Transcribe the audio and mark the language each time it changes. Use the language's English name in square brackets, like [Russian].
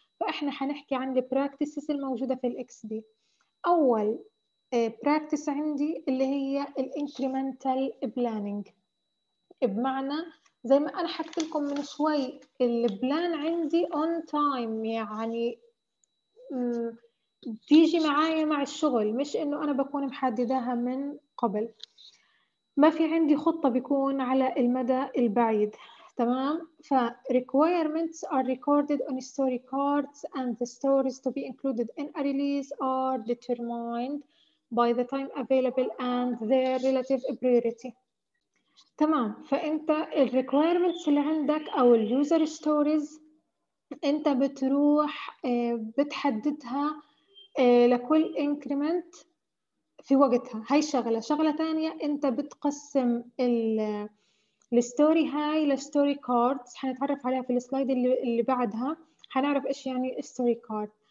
[Arabic] فإحنا حنحكي عن البراكتسز الموجودة في الإكس بي. أول براكتس عندي اللي هي الانكريمنتال بلانينج، بمعنى زي ما أنا حكيت لكم من شوي البلان عندي on time، يعني تيجي معايا مع الشغل، مش إنه أنا بكون محددها من قبل. ما في عندي خطة بيكون على المدى البعيد. تمام. [English] ف requirements are recorded on story cards and the stories to be included in a release are determined by the time available and their relative priority. [Arabic] تمام. فأنت ال requirements اللي عندك أو ال user stories أنت بتروح بتحددها لكل increment في وقتها، هاي شغلة. شغلة تانية أنت بتقسم الستوري هاي لستوري كاردز، حنتعرف عليها في السلايد اللي بعدها، حنعرف إيش يعني ستوري كارد.